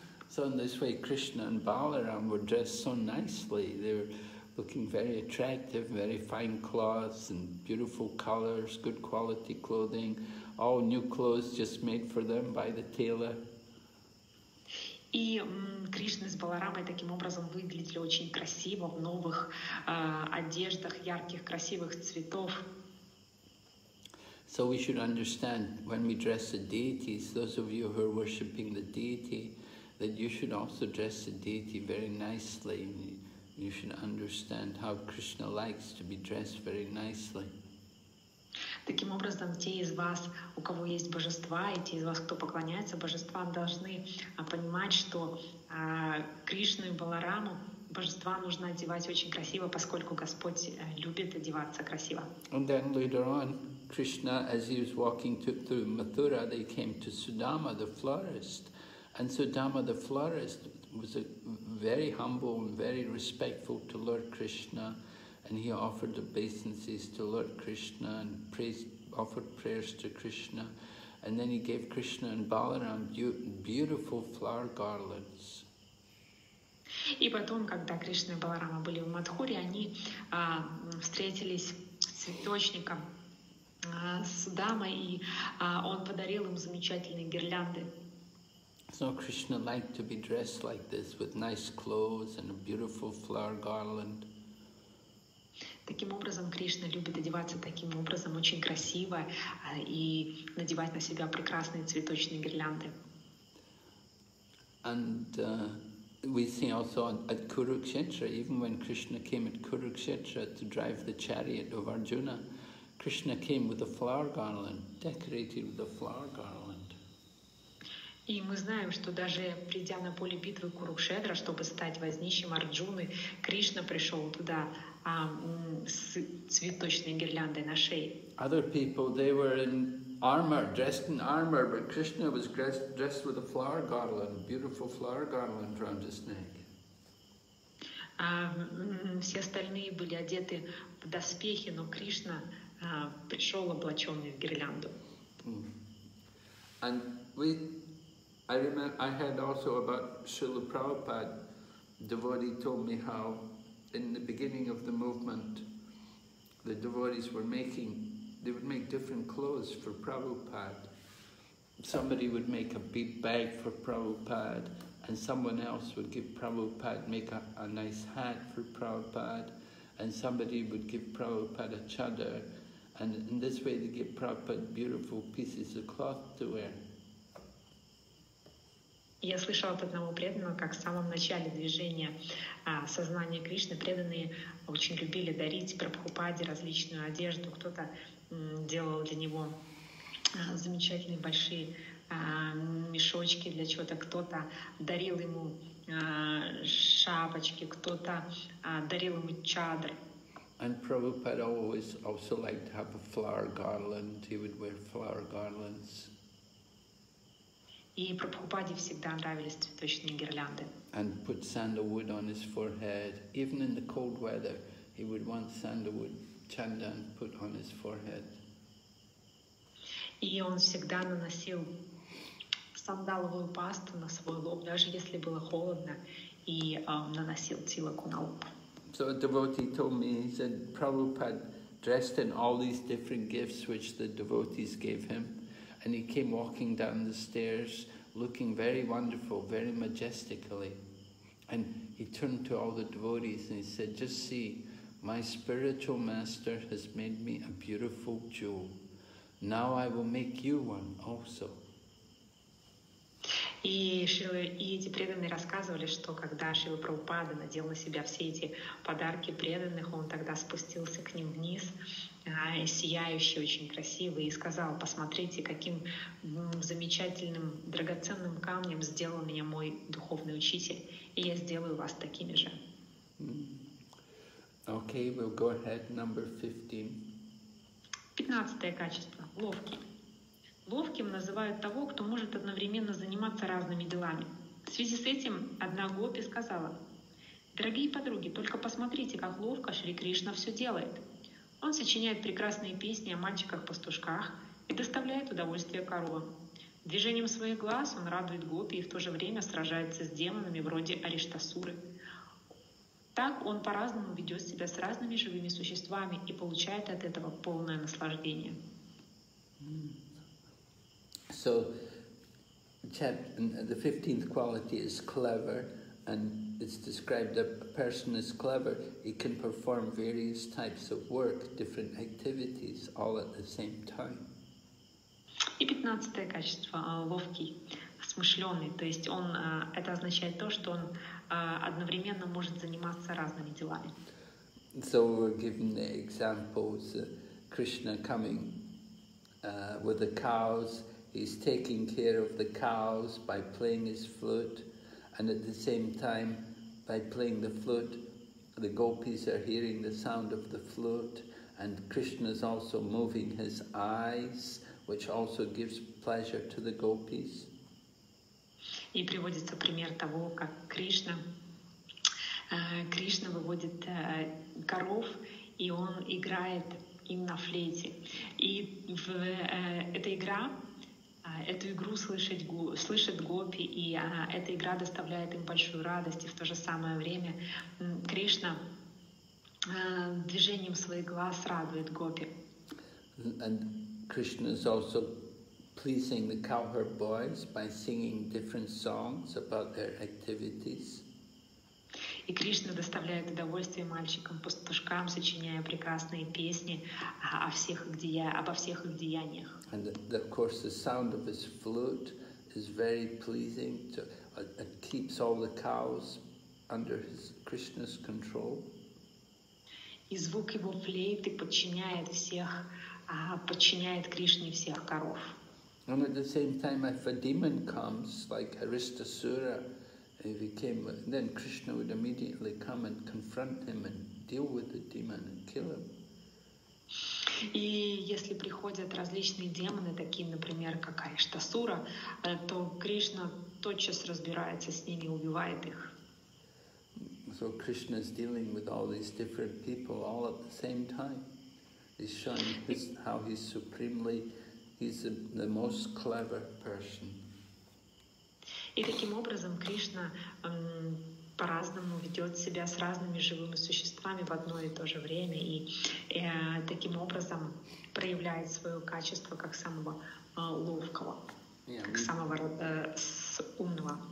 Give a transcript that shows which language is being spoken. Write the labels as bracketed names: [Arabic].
[English] So in this way, Krishna and Balaram were dressed so nicely. They were looking very attractive, very fine cloths and beautiful colors, good quality clothing, all new clothes just made for them by the tailor. [Russian] И Кришна с Баларамой таким образом выглядели очень красиво в новых одеждах, ярких, красивых цветов. [English] So we should understand, when we dress the deities, those of you who are worshipping the deity, that you should also dress the deity very nicely. You should understand how Krishna likes to be dressed very nicely. [Russian] Таким образом, те из вас, у кого есть божества, и те из вас, кто поклоняется божествам, должны понимать, что Кришну и Балараму божества нужно одевать очень красиво, поскольку Господь любит одеваться красиво. [English] And then later on, Krishna, as he was walking through Mathura, they came to Sudama the florist. And Sudama the florist was very humble and very respectful to Lord Krishna. And he offered obeisances to Lord Krishna and offered prayers to Krishna. And then he gave Krishna and Balaram beautiful flower garlands. [Russian] И потом, когда Кришна и Баларама были в Мадхуре, они встретились с цветочником, с дамой, и он подарил им замечательные гирлянды. [English] So Krishna liked to be dressed like this, with nice clothes and a beautiful flower garland. [Russian] Таким образом, Кришна любит одеваться таким образом, очень красиво, и надевать на себя прекрасные цветочные гирлянды. [English] And we see also at Kurukshetra, even when Krishna came at Kurukshetra to drive the chariot of Arjuna, Krishna came with a flower garland, decorated with a flower garland. [Russian] И мы знаем, что даже придя на поле битвы Курукшетра, чтобы стать вознищим Арджуны, Кришна пришел туда с цветочной гирляндой на шее. [English] Other people, they were in armor, dressed in armor, but Krishna was dressed with a flower garland, beautiful flower garland around his neck. [Russian] Все остальные были одеты в доспехи, но Кришна пришел облаченный в гирлянду. [English] And we I remember I heard also about Srila Prabhupada. Devotee told me how in the beginning of the movement the devotees were making, they would make different clothes for Prabhupada. Somebody would make a big bag for Prabhupada, and someone else would give Prabhupada, make a nice hat for Prabhupada, and somebody would give Prabhupada a chadar, and in this way they give Prabhupada beautiful pieces of cloth to wear. [Russian] Я слышал от одного преданного, как в самом начале движения сознания Кришны преданные очень любили дарить Прабхупаде различную одежду. Кто-то делал для него замечательные большие мешочки для чего-то, кто-то дарил ему шапочки, кто-то дарил ему чадр. [English] And Prabhupada always also liked to have a flower garland. He would wear flower garlands. [Russian] И Прабхупаде всегда нравились цветочные гирлянды. [English] And put sandalwood on his forehead. Even in the cold weather, he would want sandalwood chandan put on his forehead. [Russian] И он всегда наносил сандаловую пасту на свой лоб, даже если было холодно, и наносил тилаку на лоб. [English] So a devotee told me, he said, Prabhupada dressed in all these different gifts which the devotees gave him. And he came walking down the stairs, looking very wonderful, very majestically. And he turned to all the devotees and he said, just see, my spiritual master has made me a beautiful jewel. Now I will make you one also. [Russian] И эти преданные рассказывали, что когда Шрила Прабхупада надел на себя все эти подарки преданных, он тогда спустился к ним вниз, сияющий, очень красивый, и сказал, посмотрите, каким замечательным, драгоценным камнем сделал меня мой духовный учитель, и я сделаю вас такими же. [English] Okay, we'll go ahead, number 15. [Russian] 15-е качество. Ловкий. Ловким называют того, кто может одновременно заниматься разными делами. В связи с этим одна гопи сказала, «Дорогие подруги, только посмотрите, как ловко Шри Кришна все делает. Он сочиняет прекрасные песни о мальчиках-пастушках и доставляет удовольствие коровам. Движением своих глаз он радует гопи и в то же время сражается с демонами вроде Ариштасуры. Так он по-разному ведет себя с разными живыми существами и получает от этого полное наслаждение». [English] So, the 15th quality is clever, and it's described that a person is clever, he can perform various types of work, different activities, all at the same time. [Russian] И 15-е качество – ловкий, смышленый. То есть он, это означает то, что он одновременно может заниматься разными делами. [English] So we're given the examples, Krishna coming with the cows, he's taking care of the cows by playing his flute, and at the same time, by playing the flute, the gopis are hearing the sound of the flute, and Krishna's also moving his eyes, which also gives pleasure to the gopis. [Russian] И приводится пример того, как Кришна выводит коров, и он играет им на флейте. И эта игра эту игру слышат гопи, и эта игра доставляет им большую радость, и в то же самое время Кришна движением своих глаз радует гопи. [English] And Krishna is also pleasing the cowherd boys by singing different songs about their activities. [Russian] И Кришна доставляет удовольствие мальчикам-пастушкам, сочиняя прекрасные песни обо всех их деяниях. [English] And of course the sound of his flute is very pleasing to it keeps all the cows under Krishna's control. [Russian] И звук его флейты подчиняет Кришне всех коров. [English] And at the same time, if a demon comes, like Aristasura, if he came, then Krishna would immediately come and confront him and deal with the demon and kill him. [Russian] И если приходят различные демоны, такие, например, как Аристасура, то Кришна тотчас разбирается с ними и убивает их. [English] So Krishna is dealing with all these different people all at the same time. He's showing how he's supremely, he's the most clever person. [Russian] И таким образом Кришна по-разному ведет себя с разными живыми существами в одно и то же время, и таким образом проявляет свое качество как самого ловкого, как самого умного.